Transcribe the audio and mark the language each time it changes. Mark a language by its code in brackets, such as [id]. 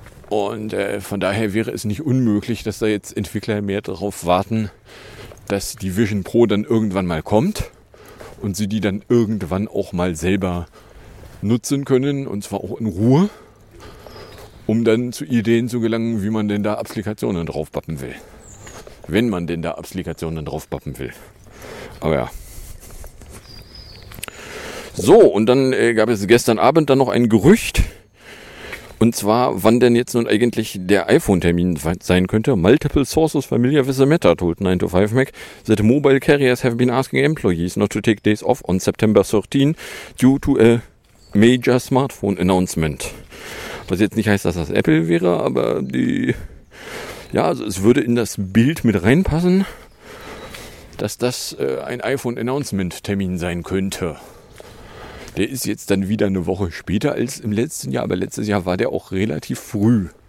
[de] Und von daher wäre es nicht unmöglich, dass da jetzt Entwickler mehr darauf warten, dass die Vision Pro dann irgendwann mal kommt und sie die dann irgendwann auch mal selber nutzen können, und zwar auch in Ruhe, um dann zu Ideen zu gelangen, wie man denn da Applikationen draufpappen will. Wenn man denn da Applikationen draufpappen will. Aber ja. So, und dann gab es gestern Abend dann noch ein Gerücht. Und zwar, wann denn jetzt nun eigentlich der iPhone-Termin sein könnte. [en] Multiple sources familiar with the matter told 9to5Mac that mobile carriers have been asking employees not to take days off on September 13 due to a major smartphone announcement. [de] Was jetzt nicht heißt, dass das Apple wäre, aber die, ja, also es würde in das Bild mit reinpassen, dass das ein iPhone-Announcement-Termin sein könnte. Der ist jetzt dann wieder eine Woche später als im letzten Jahr, aber letztes Jahr war der auch relativ früh.